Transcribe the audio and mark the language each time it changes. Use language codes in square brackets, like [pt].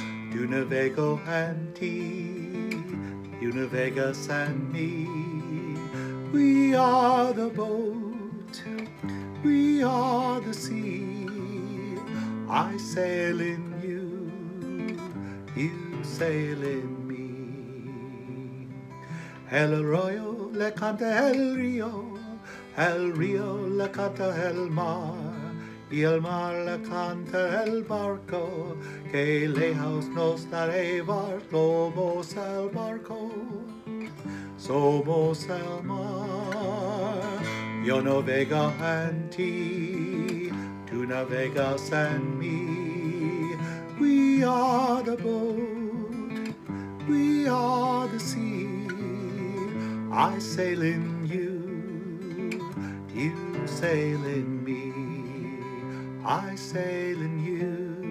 [es] Tu navego en ti, tu navegas en mí. [en] We are the boat, we are the sea. I sail in you, you sail in me. [es] El arroyo le canta el río, el río le canta el mar, y el mar le canta el barco, que lejos nos da llevar. Somos el barco, somos el mar. Yo navego en ti, tú navegas en mí. [en] We are the boat, we are the sea. I sail in you, you sail in me. I sail in you.